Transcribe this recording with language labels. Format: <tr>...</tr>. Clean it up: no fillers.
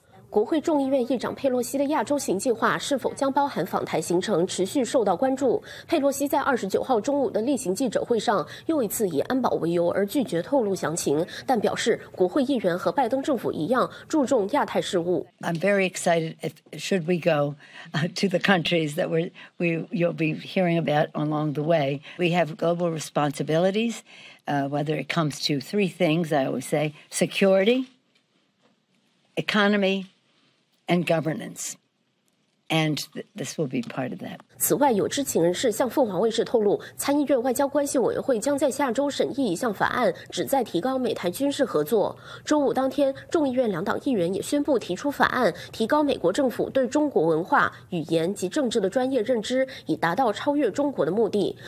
<zh>国会众议院议长佩洛西的亚洲行计划是否将包含访台行程持续受到关注。佩洛西在29号中午的例行记者会上又一次以安保为由而拒绝透露详情，但表示国会议员和拜登政府一样注重亚太事务。</zh> <en>I'm very excited if should we go to the countries that we you'll be hearing about along the way. We have global responsibilities, whether it comes to 3 things, I always say, security, economy,and governance, and this will be part of that.</en> <zh>此外，有知情人士向凤凰卫视透露，参议院外交关系委员会将在下周审议一项法案，旨在提高美台军事合作。周五当天，众议院两党议员也宣布提出法案，提高美国政府对中国文化、语言及政治的专业认知，以达到超越中国的目的。</zh>